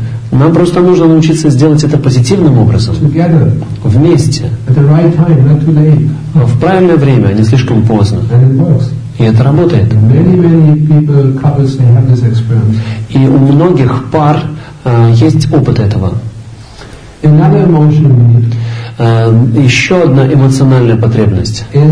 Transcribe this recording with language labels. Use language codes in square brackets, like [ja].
[ru] Нам просто нужно научиться сделать это позитивным образом. [en] Together, [ru] вместе. [en] At the right time, not too late. [ru] В правильное время, а не слишком поздно. [en] And it works. [ru] И это работает. [en] Many, many people, couples, they have this experience. [ru] И у многих пар есть опыт этого. [en] Another emotion we need. [ru] Еще одна эмоциональная потребность.